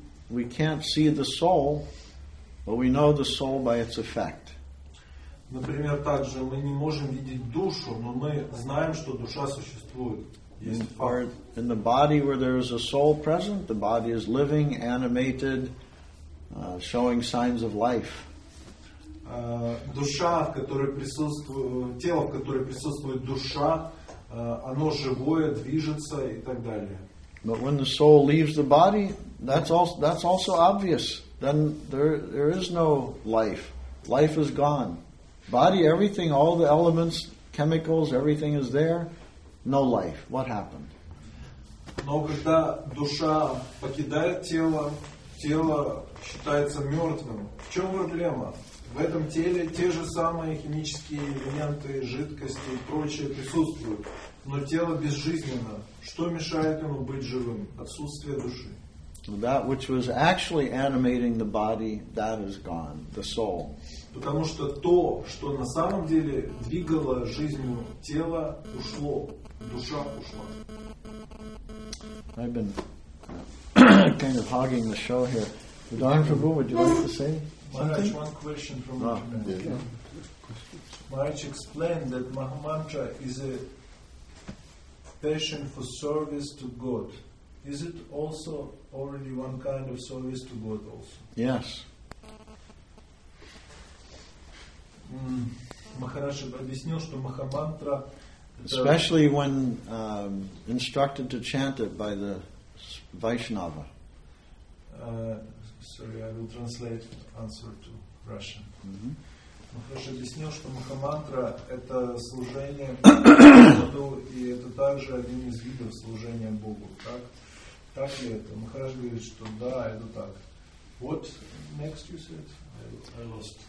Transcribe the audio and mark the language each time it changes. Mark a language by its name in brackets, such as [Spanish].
[English] We can't see the soul, but we know the soul by its effect. [Russian] Например, также мы не можем видеть душу, но мы знаем, что душа существует. [English] In the body where there is a soul present, the body is living, animated, showing signs of life. [Russian] Душа, в которой присутствует, тело, в которой присутствует душа, оно живое, движется и так далее. [English] But when the soul leaves the body, that's also obvious. Then there is no life. Life is gone. Body, everything, all the elements, chemicals, everything is there. No life. What happened? [Russian] Но когда душа покидает тело считается мертвым. В чем проблема? В этом теле те же самые химические элементы, жидкости и прочее присутствуют. Но тело безжизненно. Что мешает ему быть живым? Отсутствие души. [English] That which was actually animating the body, that is gone, the soul. [Russian] Потому что то, что на самом деле двигало жизнью тела, ушло. Душа ушла. [English] I've been kind of hogging the show here. Don Prabhu, would you like to say Maharaj, one question from Maharaj explained that Mahamantra is a passion for service to God. Is it also already one kind of service to God also? Yes. [Russian] Maharaj объяснил, что Mahamantra, [English] especially when instructed to chant it by the Vaishnava. Sorry, I will translate answer to Russian. [Russian] Махарадж объяснил, что Махамантра это служение Богу, и это также один из видов служения Богу. Так? Так ли это? Махарадж говорит, что да, это так. [English] What next you said? I lost.